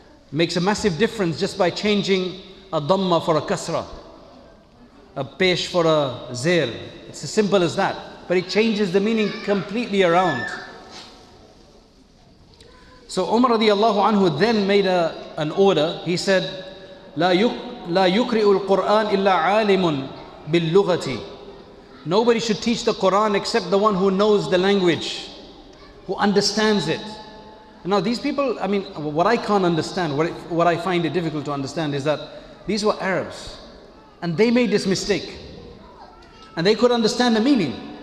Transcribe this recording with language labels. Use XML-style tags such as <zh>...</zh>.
<en>Makes a massive difference just by changing a Dhamma for a Kasra, a Pesh for a Zail. It's as simple as that. But it changes the meaning completely around. So Umar radiallahu anhu then made an order. He said,</en> <ar>لَا يُكْرِئُ الْقُرْآنِ إِلَّا عَالِمٌ بِاللُّغَةِ.</ar> <en>Nobody should teach the Quran except the one who knows the language, who understands it. Now these people, I mean, what I can't understand, what I find it difficult to understand is that these were Arabs and they made this mistake and they could understand the meaning.</en>